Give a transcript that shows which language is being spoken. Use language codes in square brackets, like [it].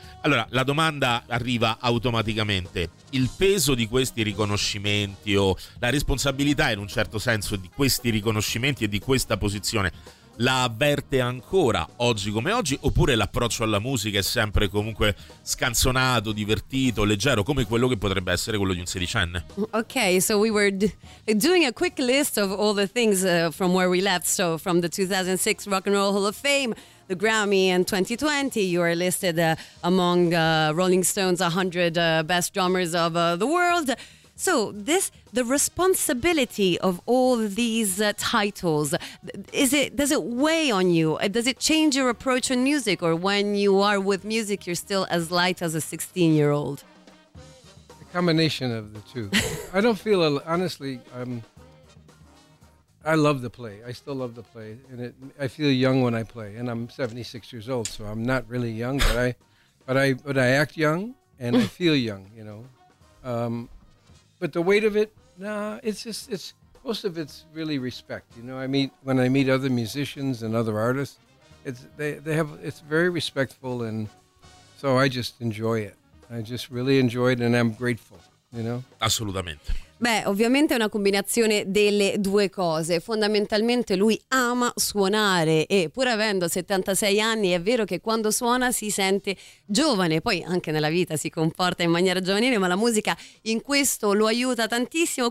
[it] Allora, la domanda arriva automaticamente. Il peso di questi riconoscimenti o la responsabilità in un certo senso di questi riconoscimenti e di questa posizione la avverte ancora oggi come oggi, oppure l'approccio alla musica è sempre comunque scanzonato, divertito, leggero, come quello che potrebbe essere quello di un sedicenne? [en] Okay, so we were doing a quick list of all the things from where we left, so from the 2006 Rock and Roll Hall of Fame, the Grammy in 2020, you are listed among Rolling Stone's 100 best drummers of the world. So this, the responsibility of all these titles, does it weigh on you? Does it change your approach on music, or when you are with music, you're still as light as a 16-year-old? A combination of the two. I don't feel, honestly, I love to play. I still love to play, and I feel young when I play. And I'm 76 years old, so I'm not really young, but I act young, and I feel young, you know. But the weight of it, it's most of it's really respect. You know, when I meet other musicians and other artists, it's very respectful, and so I just enjoy it. I just really enjoy it, and I'm grateful. You know, [it] assolutamente. Beh, ovviamente è una combinazione delle due cose. Fondamentalmente lui ama suonare e, pur avendo 76 anni, è vero che quando suona si sente giovane. Poi anche nella vita si comporta in maniera giovanile, ma la musica in questo lo aiuta tantissimo.